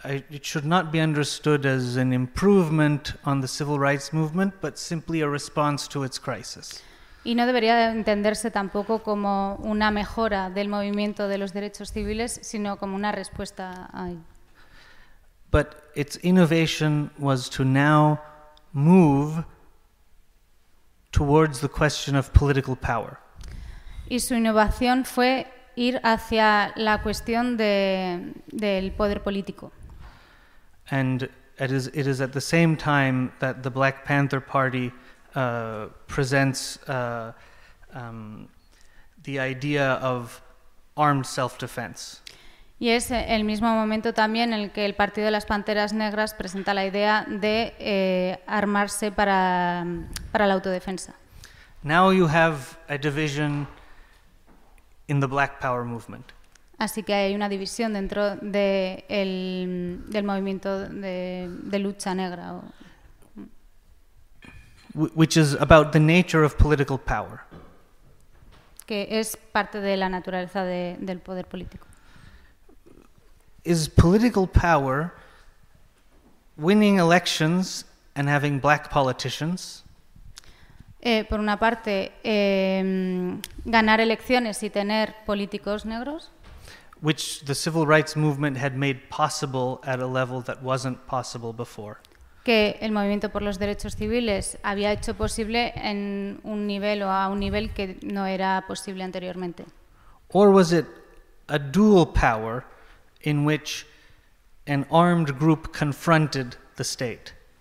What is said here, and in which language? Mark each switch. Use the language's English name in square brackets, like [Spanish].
[English] It should not be understood as an improvement on the civil rights movement, but simply a response to its crisis. [Spanish] Y no debería entenderse tampoco como una mejora del movimiento de los derechos civiles, sino como una respuesta a él. [English] But its innovation was to now move towards the question of political power. [Spanish] Y su innovación fue ir hacia la cuestión del poder político. [English] And it is at the same time that the Black Panther Party presents the idea of armed self-defense. [Spanish] Y es el mismo momento también en el que el Partido de las Panteras Negras presenta la idea de armarse para la autodefensa. [English] Now you have a division in the Black Power movement. [Spanish] Así que hay una división dentro del movimiento de lucha negra. [English] Which is about the nature of political power. [Spanish] Que es parte de la naturaleza del poder político. [English] Is political power winning elections and having black politicians? [Spanish] Por una parte, ganar elecciones y tener políticos negros. [English] Which the civil rights movement had made possible at a level that wasn't possible before. [Spanish] Que el movimiento por los derechos civiles había hecho posible en un nivel o a un nivel que no era posible anteriormente. [English] Or was it a dual power in which an armed group confronted the state?